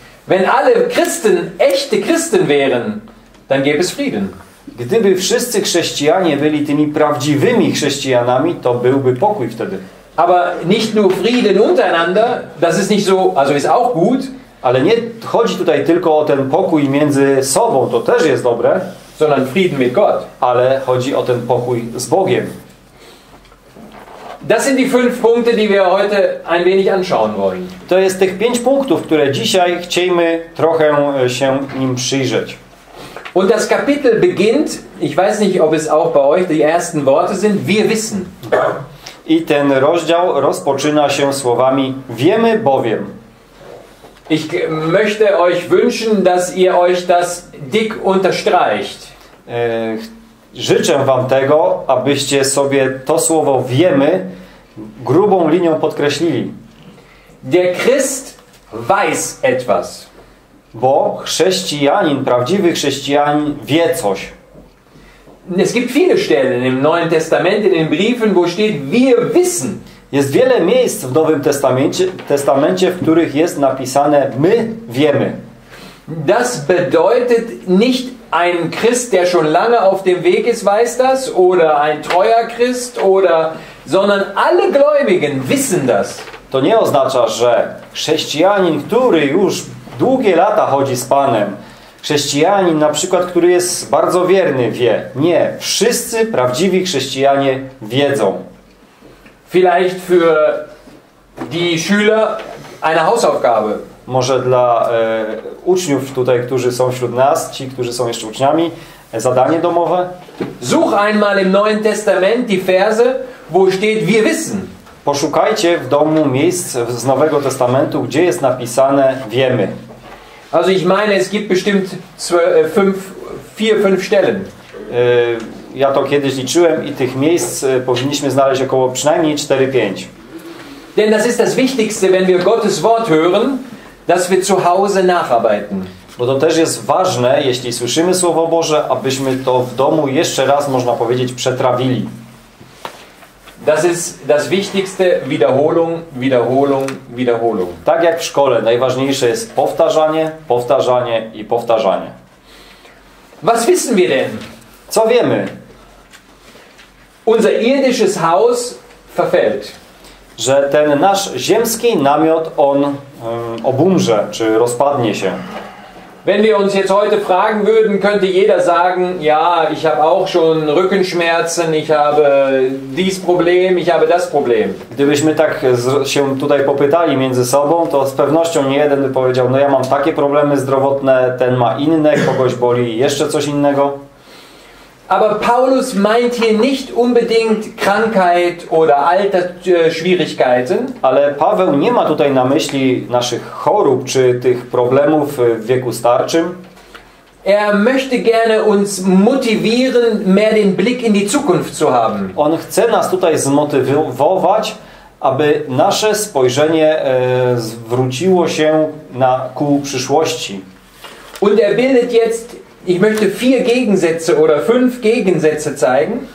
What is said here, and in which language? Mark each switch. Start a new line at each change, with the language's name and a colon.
German: Wenn alle Christen echte Christen wären, dann gäbe es Frieden.
Polish: Gdyby wszyscy chrześcijanie byli tymi prawdziwymi chrześcijanami, to byłby pokój wtedy.
German: Aber nicht nur Frieden untereinander, das ist nicht so, also ist auch gut.
Polish: Ale nie chodzi tutaj tylko o ten pokój między sobą, to też jest dobre,
German: sondern Frieden mit Gott.
Polish: Ale chodzi o ten pokój z Bogiem.
German: Das sind die fünf Punkte, die wir heute ein wenig anschauen wollen.
Polish: To jest tych 5 punktów, które dzisiaj chcemy trochę się nim przyjrzeć.
German: Und das Kapitel beginnt, ich weiß nicht, ob es auch bei euch die ersten Worte sind, wir wissen.
Polish: I ten rozdział rozpoczyna się słowami wiemy bowiem.
German: Ich möchte euch wünschen, dass ihr euch das dick unterstreicht.
Polish: Życzę wam tego, abyście sobie to słowo wiemy grubą linią podkreślili.
German: Der Christ weiß etwas.
Polish: Bo chrześcijanin, prawdziwy chrześcijanin wie coś.
German: Es gibt viele Stellen im Neuen Testament, in den Briefen, wo steht, wir wissen.
Polish: Jest wiele miejsc w Nowym Testamencie, w których jest napisane, my wiemy.
German: Das bedeutet nicht ein Christ, der schon lange auf dem Weg ist, weiß das, oder ein treuer Christ, oder, sondern alle Gläubigen wissen das.
Polish: To nie oznacza, że chrześcijanin, który już długie lata chodzi z Panem, chrześcijanin na przykład, który jest bardzo wierny, wie. Nie, wszyscy prawdziwi chrześcijanie wiedzą.
German: Vielleicht für die Schüler eine Hausaufgabe.
Polish: Może dla uczniów tutaj, którzy są wśród nas, ci, którzy są jeszcze uczniami, zadanie domowe.
German: Such einmal im Neuen Testament die Verse, wo steht wir wissen.
Polish: Poszukajcie w domu miejsc z Nowego Testamentu, gdzie jest napisane wiemy.
German: Also ich meine, es gibt bestimmt 4-5 Stellen.
Polish: Ja to kiedyś liczyłem i tych miejsc powinniśmy znaleźć około przynajmniej 4-5.
German: Denn das ist das Wichtigste, wenn wir Gottes Wort hören, dass wir zu Hause nacharbeiten.
Polish: Bo to też jest ważne, jeśli słyszymy Słowo Boże, abyśmy to w domu jeszcze raz, można powiedzieć, przetrawili.
German: Das ist das Wichtigste, Wiederholung, Wiederholung, Wiederholung.
Polish: Tak jak w szkole, najważniejsze jest powtarzanie, powtarzanie i powtarzanie.
German: Was wissen wir denn?
Polish: Co wiemy?
German: Unser irdisches Haus verfällt.
Polish: Że ten nasz ziemski namiot, on obumrze, czy rozpadnie się.
German: Wenn wir uns jetzt heute fragen würden, könnte jeder sagen, ja, ich habe auch schon Rückenschmerzen, ich habe dies Problem, ich habe das Problem.
Polish: Gdybyśmy tak się tutaj popytali między sobą, to z pewnością nie jeden by powiedział, no ja mam takie problemy zdrowotne, ten ma inne, kogoś boli jeszcze coś innego.
German: Aber Paulus meint hier nicht unbedingt Krankheit oder Altersschwierigkeiten.
Polish: Ale Paweł nie ma tutaj na myśli naszych chorób czy tych problemów w wieku starczym.
German: Er möchte gerne uns motivieren, mehr den Blick in die Zukunft zu haben.
Polish: On chce nas tutaj zmotywować, aby nasze spojrzenie zwróciło się na ku przyszłości.
German: Und er bildet jetzt. Ich möchte 4 Gegensätze oder 5 Gegensätze zeigen.